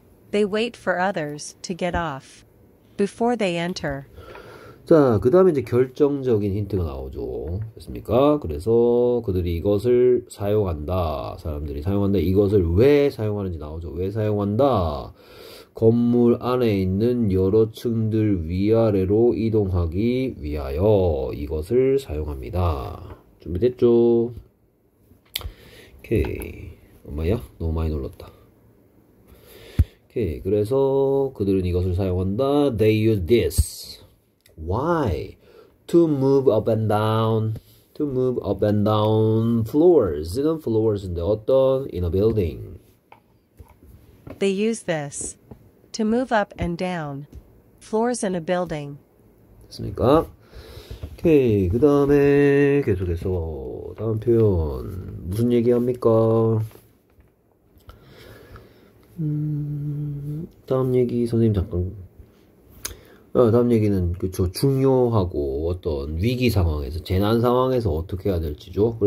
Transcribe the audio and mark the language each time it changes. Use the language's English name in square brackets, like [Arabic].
[English] They wait for others to get off before they enter. [Korean] 자, 그 다음에 이제 결정적인 힌트가 나오죠. 됐습니까? 그래서 그들이 이것을 사용한다. 사람들이 사용한다. 이것을 왜 사용하는지 나오죠. 왜 사용한다? 건물 안에 있는 여러 층들 위아래로 이동하기 위하여 이것을 사용합니다. 준비됐죠? 오케이. 엄마야? 너무 많이 놀랐다. 오케이. 그래서 그들은 이것을 사용한다. [English] They use this. Why? To move up and down. To move up and down floors. [Korean] 이건 floors인데 어떤? [English] In a building. They use this to move up and down floors in a building. [Korean] 됐습니까? 오케이. 그 다음에 계속해서 다음 표현. 무슨 얘기합니까? 다음 얘기 선생님 잠깐. 다음 얘기는 그쵸, 중요하고 어떤 위기 상황에서 재난 상황에서 어떻게 해야 될지죠.